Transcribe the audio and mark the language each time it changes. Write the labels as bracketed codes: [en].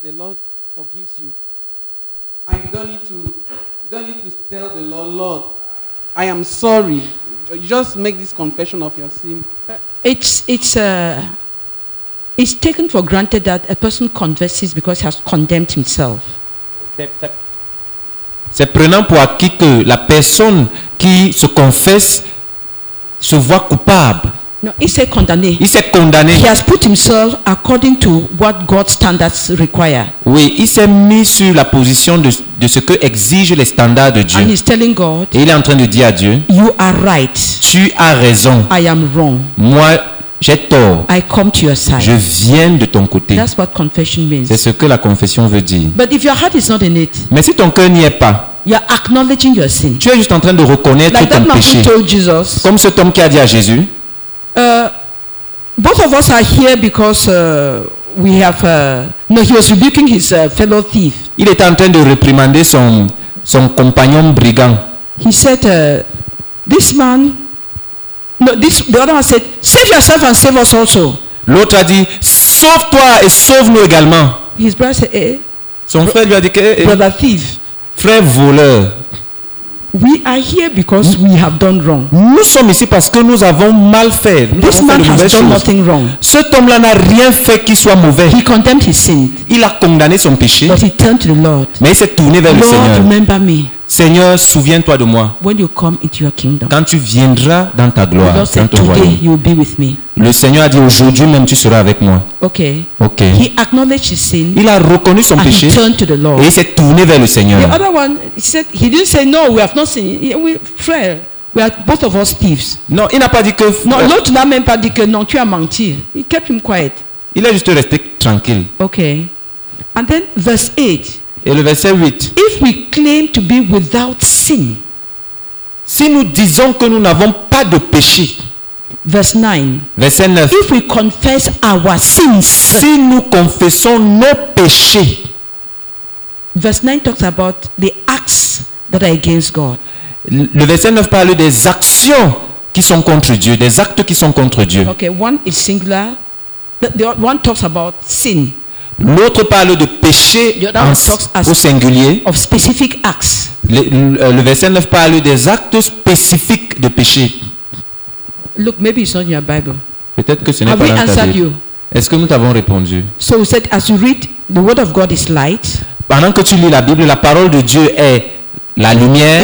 [en] The Lord forgives you, and you don't need to tell the Lord, Lord, I am sorry. You just make this confession of your sin. It's taken for granted that a person confesses because he has condemned himself. [fr] C'est prenant pour acquis que la personne qui se confesse se voit coupable. [en] No, he said condamné. [fr] Il s'est condamné. [en] He has put himself according to what God's standards require. [fr] Oui, il s'est mis sur la position de ce que exigent les standards de Dieu. [en] And he's telling God. [fr] Et il est en train de dire à Dieu. [en] You are right. [fr] Tu as raison. [en] I am wrong. [fr] Moi, j'ai tort. [en] I come to your side. [fr] Je viens de ton côté. [en] That's what confession means. [fr] C'est ce que la confession veut dire. [en] But if your heart is not in it. [fr] Mais si ton cœur n'y est pas. [en] You are acknowledging your sin. [fr] Tu es juste en train de reconnaître [en] like [fr] ton péché. [en] Told Jesus, [fr] comme cet homme qui a dit à Jésus. [en] Both of us are here because we have. No, he was rebuking his fellow thief. [fr] Il était en train de réprimander son compagnon brigand. [en] He said, "This man." No, this. The other one said, "Save yourself and save us also." [fr] L'autre a dit, "Sauve-toi et sauve-nous également." [en] His brother said, "Eh." [fr] Son frère lui a dit que. [en] Brother thief. [fr] Frère voleur. [en] We are here because we have done wrong. [fr] Nous sommes ici parce que nous avons mal fait. [en] This man has done nothing wrong. [fr] Cet homme-là n'a rien fait qui soit mauvais. [en] He condemned his sin. [fr] Il a condamné son péché. [en] But he turned to the Lord. [fr] Mais il s'est tourné vers [en] Lord, [fr] le Seigneur. [en] Remember me. [fr] Seigneur, souviens-toi de moi. [en] When you come into your kingdom. [fr] Quand tu viendras dans ta gloire, [en] Lord [fr] dans ton [en] said, [fr] royaume. [en] Today you will be with me. [fr] Le Seigneur a dit aujourd'hui même tu seras avec moi. Okay. Okay. [en] He acknowledged his sin. [fr] Il a reconnu son [en] and [fr] péché. [en] He turned to the Lord. [fr] Et il s'est tourné vers le Seigneur. [en] The other one said he didn't say no, we have not sinned. We frère, we are both of us thieves. [fr] Non, il n'a pas dit que. Non, l'autre n'a même pas dit que non, tu as menti. [en] He kept him quiet. [fr] Il est juste resté tranquille. [en] Okay. And then verse 8. [fr] Et le verset 8. [en] If we claim to be without sin. [fr] Si nous disons que nous n'avons pas de péché. [en] Verse 9. [fr] Verset 9. [en] If we confess our sins. [fr] Si nous confessons nos péchés. [en] Verse 9 talks about the acts that are against God. [fr] Le verset 9 parle des actions qui sont contre Dieu, des actes qui sont contre Dieu. [en] Okay, one is singular. The one talks about sin. [fr] L'autre parle de péché au singulier. [en] Of specific acts. [fr] Le verset 9 parle des actes spécifiques de péché. [en] Look, maybe it's not in your Bible. [fr] Peut-être que ce n'est [en] have [fr] pas dans ta Bible. [en] You? [fr] Est-ce que nous t'avons répondu? [en] So we said, as you read, the word of God is light. [fr] Pendant que tu lis la Bible, la parole de Dieu est la lumière.